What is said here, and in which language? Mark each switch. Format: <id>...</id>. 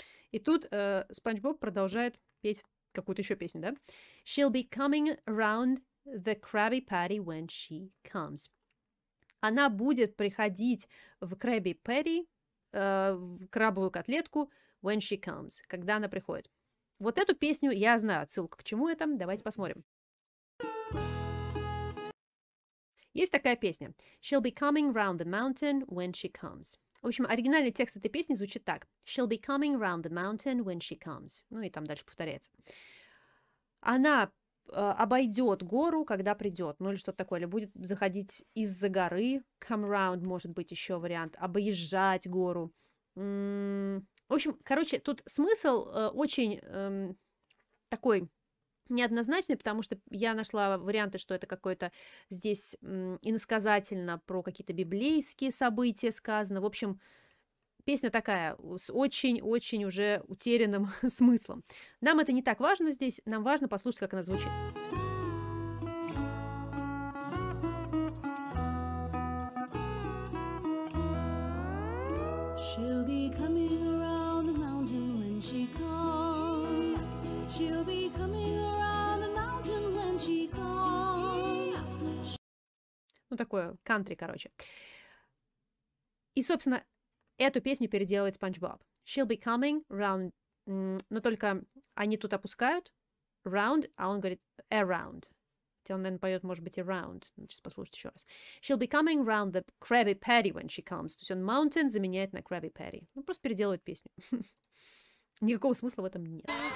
<ru>И тут Спанч Боб продолжает петь какую-то еще песню, да?</ru> <en>She'll be coming around the Krabby Patty when she comes.</en> <ru>Она будет приходить в Krabby Patty, в крабовую котлетку,</ru> <en>when she comes,</en> <ru>когда она приходит. Вот эту песню я знаю, отсылка к чему это, давайте посмотрим. Есть такая песня.</ru> <en>She'll be coming round the mountain when she comes.</en> <ru>В общем, оригинальный текст этой песни звучит так.</ru> <en>She'll be coming round the mountain when she comes.</en> <ru>Ну и там дальше повторяется. Она... обойдет гору, когда придет, ну или что-то такое, или будет заходить из-за горы, come round, может быть, еще вариант, обоезжать гору. В общем, короче, тут смысл очень такой неоднозначный, потому что я нашла варианты, что это какое-то здесь иносказательно про какие-то библейские события сказано. В общем, песня такая, с очень-очень уже утерянным смыслом. Нам это не так важно здесь, нам важно послушать, как она звучит.</ru> <en>She'll be coming around the mountain when she comes. She'll be coming around the mountain when she comes.</en> <ru>Ну, такое кантри, короче. И, собственно... эту песню переделывает Спанч Боб.</ru> <en>She'll be coming round...</en> <ru>Но только они тут опускают round, а он говорит around. Хотя он, наверное, поет, может быть, around. Сейчас послушайте еще раз.</ru> <en>She'll be coming round the Krabby Patty when she comes.</en> <ru>То есть он mountain заменяет на Krabby Patty. Ну, просто переделывает песню. Никакого смысла в этом нет.</ru>